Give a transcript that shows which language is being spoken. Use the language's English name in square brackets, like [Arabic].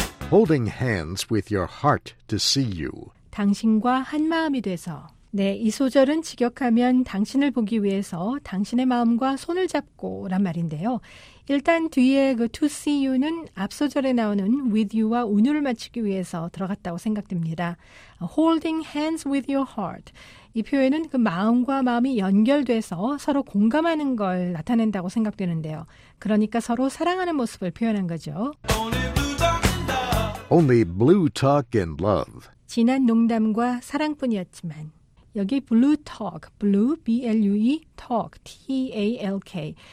[English] Holding hands with your heart to see you. [Korean] 당신과 한 마음이 돼서. 네, 이 소절은 직역하면 당신을 보기 위해서 당신의 마음과 손을 잡고란 말인데요. 일단 뒤에 그 [English] to see you [Korean] 는 앞 소절에 나오는 with you와 운율을 맞추기 위해서 들어갔다고 생각됩니다. [English] Holding hands with your heart. [Korean] 이 표현은 그 마음과 마음이 연결돼서 서로 공감하는 걸 나타낸다고 생각되는데요. 그러니까 서로 사랑하는 모습을 표현한 거죠. [English] Only blue talk and love. [Korean] 진한 농담과 사랑뿐이었지만. [English] 여기 blue talk, blue, B-L-U-E, talk, T-A-L-K.